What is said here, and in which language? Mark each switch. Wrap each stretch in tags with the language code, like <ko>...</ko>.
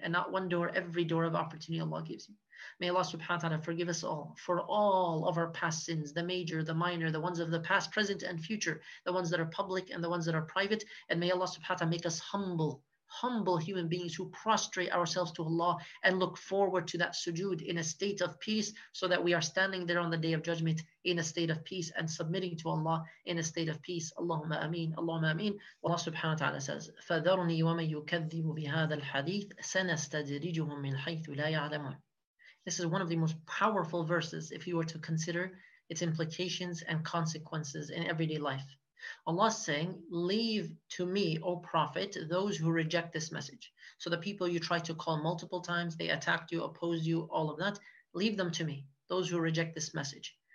<en>And not one door, every door of opportunity Allah gives you. May Allah subhanahu wa ta'ala forgive us all for all of our past sins, the major, the minor, the ones of the past, present, and future, the ones that are public and the ones that are private. And may Allah subhanahu wa ta'ala make us humble. Humble human beings who prostrate ourselves to Allah and look forward to that sujood in a state of peace, so that we are standing there on the day of judgment in a state of peace and submitting to Allah in a state of peace. Allahumma ameen, Allahumma ameen. Allah subhanahu wa ta'ala says,</en> <ar>فَذَرْنِي وَمَن يُكَذِّبُ بِهَذَا الْحَدِيثِ سَنَسْتَدْرِجُهُم مِّنْ حَيْثُ لَا يَعْلَمُونَ.</ar> <en>This is one of the most powerful verses if you were to consider its implications and consequences in everyday life. Allah is saying, leave to me, O Prophet, those who reject this message. So the people you try to call multiple times, they attacked you, opposed you, all of that, leave them to me, those who reject this message.</en>